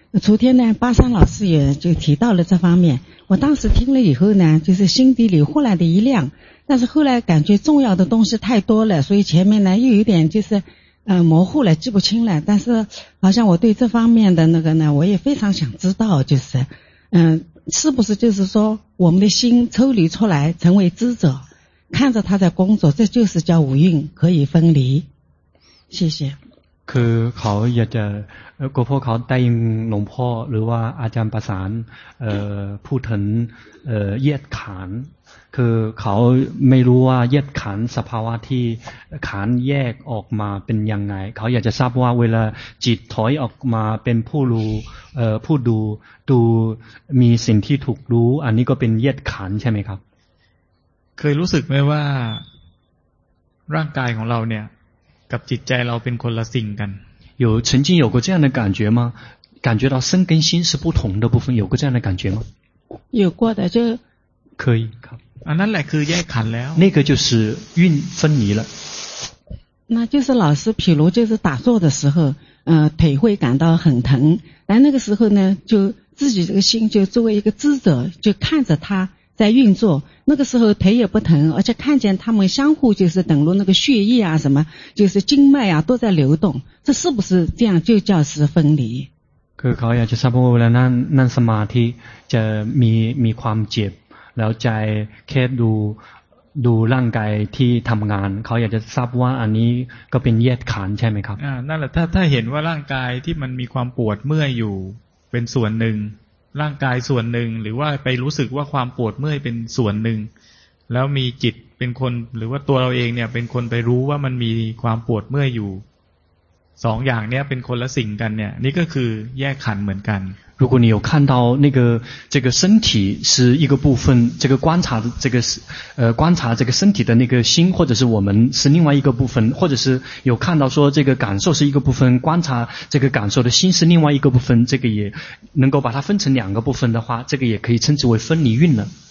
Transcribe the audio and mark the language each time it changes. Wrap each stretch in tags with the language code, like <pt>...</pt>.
<zh>昨天呢，巴山老师也就提到了这方面，我当时听了以后呢，就是心底里忽然的一亮，但是后来感觉重要的东西太多了，所以前面呢又有点就是模糊了，记不清了。但是好像我对这方面的那个呢，我也非常想知道，就是是不是就是说我们的心抽离出来成为知者，看着他在工作，这就是叫五蕴可以分离。谢谢。</zh> <th>คือเขาอยากจะก็พวกเขาได้ยินหลวงพ่อหรือว่าอาจารย์ประสานพูดถึงแยกขันธ์คือเขาไม่รู้ว่าแยกขันธ์สภาวะที่ขันธ์แยกออกมาเป็นยังไงเขาอยากจะทราบว่าเวลาจิตถอยออกมาเป็นผู้รู้ผู้ดูดูมีสิ่งที่ถูกรู้อันนี้ก็เป็นแยกขันธ์ใช่ไหมครับ เคยรู้สึกไหมว่าร่างกายของเราเนี่ยกับจิตใจเราเป็นคนละสิ่งกัน</th> <zh>有曾经有过这样的感觉吗感觉到身跟心是不同的部分有过这样的感觉吗有过的就可以</zh> <th>ครับ อันนั้นแหละคือแยกขันธ์แล้ว</th> <zh>那个就是蕴分离了那就是老师譬如就是打坐的时候腿会感到很疼但那个时候呢就自己这个心就作为一个知者就看着他在运作那个时候腿也不疼而且看见他们相互就是等如那个血液啊什么就是经脉啊都在流动这是不是这样就叫是分离</zh> <th>คือเขาอยากจะทราบว่าเวลานั่งนั่งสมาธิจะมีความเจ็บแล้วใจแค่ดูร่างกายที่ทํางานเขาอยากจะทราบว่าอันนี้ก็เป็นแยกขันธ์ใช่มั้ยครับ นั่นแหละถ้าเห็นว่าร่างกายที่มันมีความปวดเมื่อยอยู่เป็นส่วนหนึ่งร่างกายส่วนหนึ่งหรือว่าไปรู้สึกว่าความปวดเมื่อยเป็นส่วนหนึ่งแล้วมีจิตเป็นคนหรือว่าตัวเราเองเนี่ยเป็นคนไปรู้ว่ามันมีความปวดเมื่อยอยู่สองอย่างเนี้ยเป็นคนละสิ่งกันเนี่ยนี่ก็คือแยกขันธ์เหมือนกัน</th> <zh>如果你有看到那个这个身体是一个部分这个观察这个观察这个身体的那个心或者是我们是另外一个部分或者是有看到说这个感受是一个部分观察这个感受的心是另外一个部分这个也能够把它分成两个部分的话这个也可以称之为分离蕴了</zh>